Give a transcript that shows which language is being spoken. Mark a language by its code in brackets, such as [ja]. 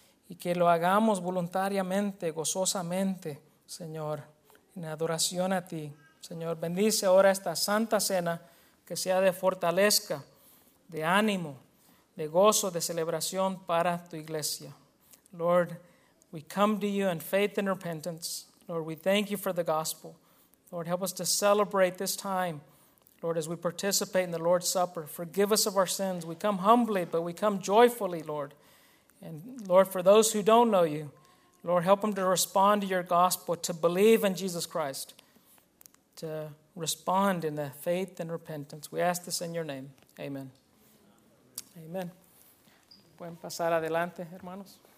[es] Y que lo hagamos voluntariamente, gozosamente, Señor, en adoración a ti. Señor, bendice ahora esta santa cena, que sea de fortaleza, de ánimo, de gozo, de celebración para tu iglesia. [en] Lord, we come to you in faith and repentance. Lord, we thank you for the gospel. Lord, help us to celebrate this time. Lord, as we participate in the Lord's Supper, forgive us of our sins. We come humbly, but we come joyfully, Lord. And Lord, for those who don't know you, Lord, help them to respond to your gospel, to believe in Jesus Christ, to respond in the faith and repentance. We ask this in your name. Amen. Amen. [es] Pueden pasar adelante, hermanos.